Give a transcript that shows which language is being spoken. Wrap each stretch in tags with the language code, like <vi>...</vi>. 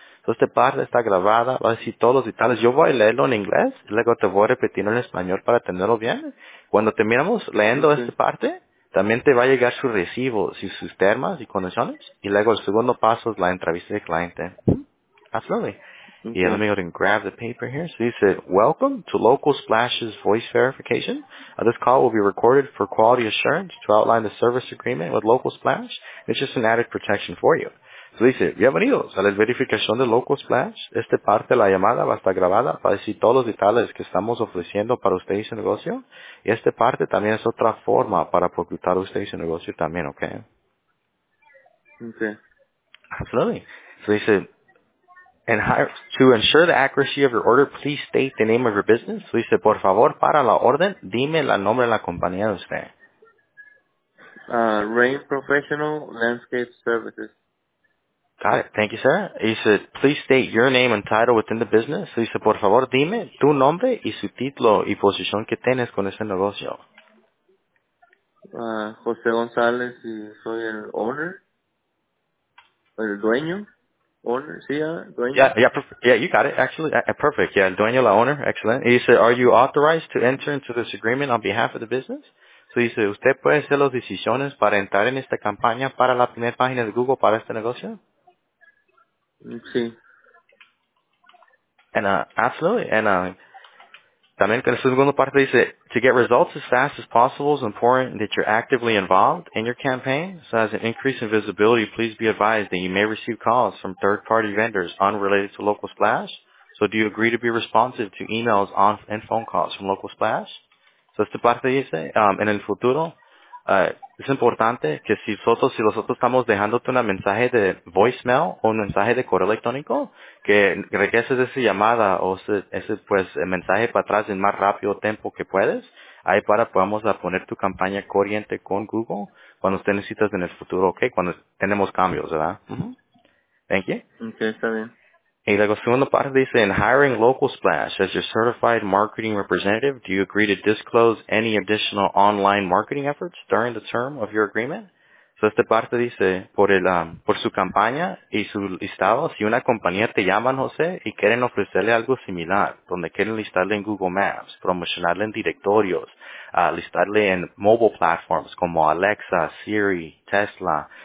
<es>Entonces, esta parte está grabada, va a decir todos los detalles. Yo voy a leerlo en inglés y luego te voy a repetir en español para tenerlo bien. Cuando terminamos leyendo uh-huh. esta parte, también te va a llegar su recibo y sus termas y condiciones. Y luego el segundo paso es la entrevista del cliente.</es> <en>Absolutely. Okay. Yeah, let me go ahead and grab the paper here. So he said, welcome to Local Splash's voice verification. This call will be recorded for quality assurance to outline the service agreement with Local Splash. It's just an added protection for you. So he said,</en> <es>bienvenidos a la verificación de Local Splash. Esta parte de la llamada va a estar grabada para decir todos los detalles que estamos ofreciendo para usted y su negocio. Y esta parte también es otra forma para publicitar usted y su negocio también, okay? Okay. Absolutely.</es> <en>So he said, and to ensure the accuracy of your order, please state the name of your business. So he said,</en> <es>por favor, para la orden, dime el nombre de la compañía de usted.</es> <en>Rain Professional Landscape Services. Got it. Thank you, sir. He said, please state your name and title within the business.</en> <es>So he said, por favor, dime tu nombre y su título y posición que tienes con ese negocio. José González, y soy el owner, el dueño.</es> <en>Owner, yeah, you got it, actually. Perfect, yeah,</en> <es>el dueño,</es> <en>la owner, excellent. He said, are you authorized to enter into this agreement on behalf of the business?</en> <es>So he said, ¿usted puede hacer las decisiones para entrar en esta campaña para la primera página de Google para este negocio? Sí.</es> <en>And, absolutely, and,</en> <es>también que el segundo parte dice,</es> <en>to get results as fast as possible is important that you're actively involved in your campaign. So as an increase in visibility, please be advised that you may receive calls from third-party vendors unrelated to Local Splash. So do you agree to be responsive to emails on and phone calls from Local Splash?</en> <es>So esta parte dice, en el futuro, es importante que si nosotros estamos dejándote un mensaje de voicemail o un mensaje de correo electrónico, que regreses esa llamada o ese mensaje para atrás en más rápido tiempo que puedes, ahí para podamos poner tu campaña corriente con Google cuando usted necesitas en el futuro, ¿ok? Cuando tenemos cambios, ¿verdad?</es> <en>Thank you.</en> <es>Okay, está bien. Y luego, segunda parte dice,</es> <en>in hiring Local Splash as your certified marketing representative, do you agree to disclose any additional online marketing efforts during the term of your agreement?</en> <es>So, esta parte dice, por su campaña y su listado, si una compañía te llama, José, y quieren ofrecerle algo similar, donde quieren listarle en Google Maps, promocionarle en directorios, listarle en mobile platforms como Alexa, Siri, Tesla.</es>